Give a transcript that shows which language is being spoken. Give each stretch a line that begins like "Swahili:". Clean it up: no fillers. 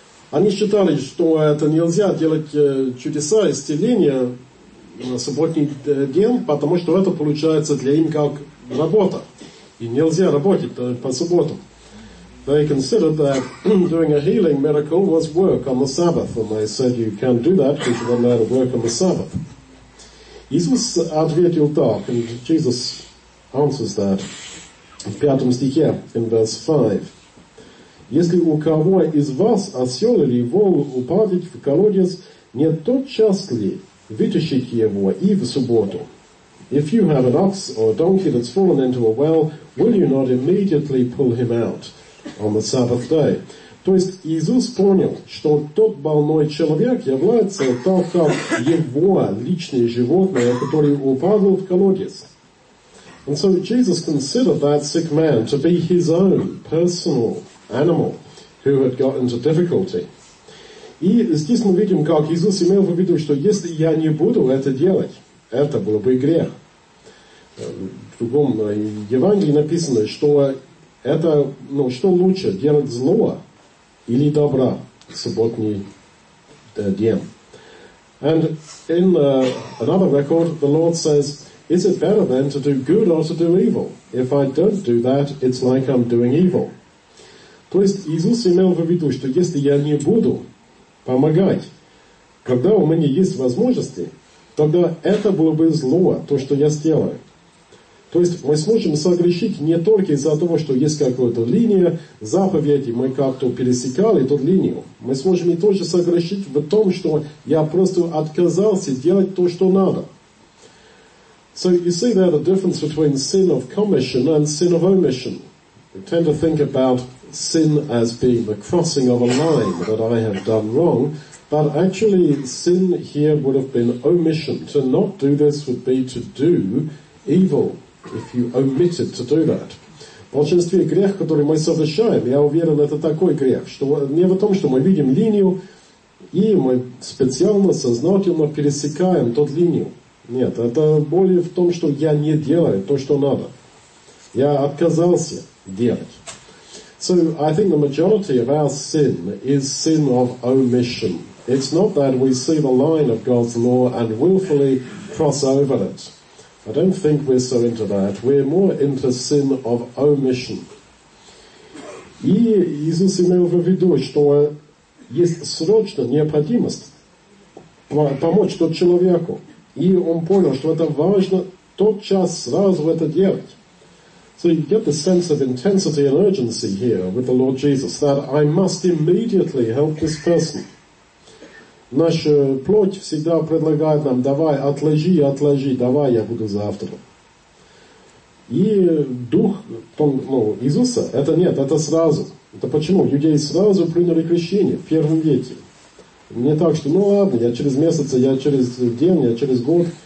Russian: Они считали, что это нельзя делать чудеса исцеления на субботний день, потому что это получается для им как работа. И нельзя работать по субботам.
English: They considered that doing a healing miracle was work on the Sabbath. And they said, you can't do that because you're not allowed to work on the Sabbath.
Russian: Иисус ответил так,
English: and Jesus answers that
Russian: в 5 стихе,
English: in verse 5.
Russian: Если у кого из вас осел или вол упадет в колодец, не тотчас ли вытащить его и в субботу?
English: If you have an ox or a donkey that's fallen into a well, will you not immediately pull him out on the Sabbath day?
Russian: То есть Иисус понял, что тот больной человек является так, как его личное животное, который упадал в колодец.
English: And so Jesus considered that sick man to be his own personal animal who had got into difficulty.
Russian: И здесь мы видим, как Иисус имел в виду, что если я не буду это делать, это было бы грех. В другом Евангелии написано, что это, ну, что лучше, делать зло или добра в субботний день.
English: And in another record, the Lord says, is it better then to do good or to do evil? If I don't do that, it's like I'm doing evil.
Russian: То есть Иисус имел в виду, что если я не буду помогать, когда у меня есть возможности, тогда это было бы зло, то, что я сделаю. То есть мы сможем согрешить не только из-за того, что есть какая-то линия заповеди, мы как-то пересекали эту линию. Мы сможем и тоже согрешить в том, что я просто отказался делать то, что надо.
English: So you see there the difference between sin of commission and sin of omission. We tend to think about sin as being the crossing of a line that I have done wrong, but actually sin here would have been omission. To not do this would be to do evil, if you omitted to do that.
Russian: В большинстве грех, который мы совершаем, я уверен, это такой грех, что не в том, что мы видим линию, и мы специально, сознательно пересекаем тот линию. Нет, это более в том, что я не делаю то, что надо. Я отказался делать.
English: So, I think the majority of our sin is sin of omission. It's not that we see the line of God's law and willfully cross over it. I don't think we're so into that. We're more into sin of omission.
Russian: И Иисус имел в виду, что есть срочная необходимость помочь тот человеку. И он понял, что это важно тотчас сразу это делать.
English: So you get the sense of intensity and urgency here with the Lord Jesus, that I must immediately help this person.
Russian: Наша плоть всегда предлагает нам, давай, отложи, отложи, давай, я буду завтра. И дух, ну, Иисуса, это нет, это сразу. Это почему? Людей сразу приняли крещение в первом веке. Не так, что, ну ладно, я через месяц, я через день, я через год.